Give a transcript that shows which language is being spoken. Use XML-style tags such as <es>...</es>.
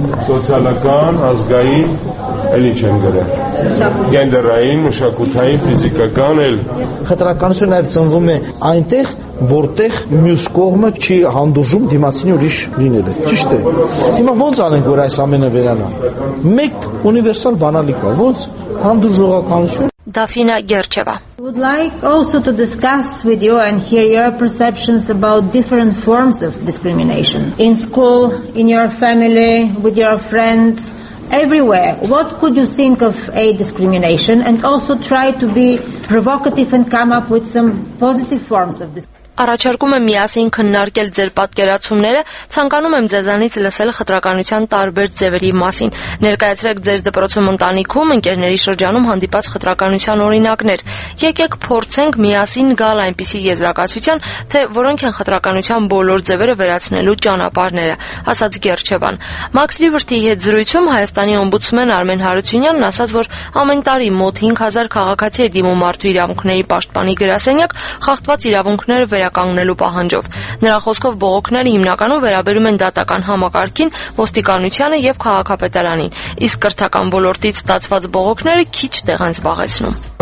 <hy>Սոցիալական, ազգային, էլի չեն գրել։ Գենդերային, մշակութային, ֆիզիկական էլ։ Խտրականությունը նաև ծնվում է այնտեղ, որտեղ մյուս կողմը չի հանդուրժում դիմացինի ուրիշ լինելը։ Ճիշտ է։ Հիմա ո՞նց անենք, որ այս ամենը վերանա։ Մեկ ունիվերսալ բանալի կա, ո՞նց հանդուրժողականություն։ Դաֆինա Գերչևա.</hy> <en>Would like also to discuss with you and hear your perceptions about different forms of discrimination in school, in your family, with your friends. Everywhere, what could you think of a discrimination and also try to be provocative and come up with some positive forms of this?</en> <hy>Առաջարկում եմ միասին քննարկել ձեր պատկերացումները, ցանկանում եմ ձեզանից լսել խտրականության տարբեր ձևերի մասին։ Ներկայացրեք ձեր դպրոցում ընտանիքում, ընկերների շրջանում հանդիպած խտրականության օրինակներ։ Եկեք փորձենք միասին գալ այնպիսի եզրակացության, թե որոնք են խտրականության բոլոր ձևերը վերացնելու ճանապարհները, ասաց Գերչևան։ Max Liberty-ի հետ զրույցում Հայաստանի օմբուդսմեն Արմեն Հարությունյանն ասաց, որ ամեն տարի մոտ 5000 քաղաքացի է դիմում մարդու իրավունքների պաշտպանի գրասենյակ խախտված իրավունքներ վերականգնելու պահանջով։ Նրա խոսքով բողոքները հիմնականում վերաբերում են դատական համակարգին, ոստիկանությանը և քաղաքապետարանին, իսկ կրթական ոլորտից ստացված բողոքները քիչ տեղ են զբաղեցնում։</hy>